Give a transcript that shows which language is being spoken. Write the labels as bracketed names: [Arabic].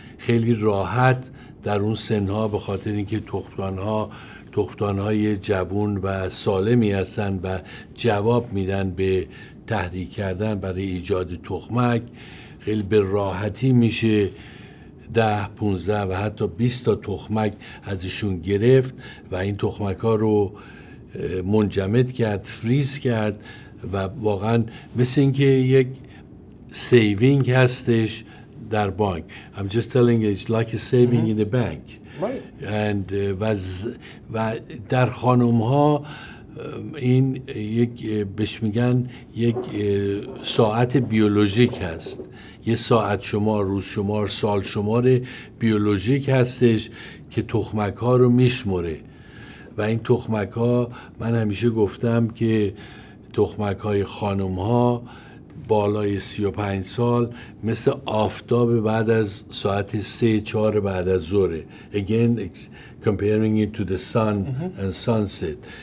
[Persian] خیلی راحت در اون سنها به خاطر اینکه تخمدان‌های جوان و سالمی هستن و جواب میدن به تحریک کردن برای ایجاد تخمک، خیلی به راحتی میشه 10-15 و حتی 20 تا تخمک ازشون گرفت و این تخمک ها رو منجمد کرد، فریز کرد و واقعا مثل این که یک سیوینگ هستش در بانک. [English] I'm just telling you, it's like a saving in the bank. Right. [Persian] And و در خانم ها این یک بهش میگن یک ساعت بیولوژیک هست، یه ساعت شمار، روز شمار، سال شمار بیولوژیک هستش که تخمک ها رو میشموره و این تخمک ها، من همیشه گفتم که تخمک‌های خانم‌ها بالای 35 سال مثل آفتاب بعد از ساعت 3-4 بعد از ظهر. [English] Again, comparing it to the sun and sunset.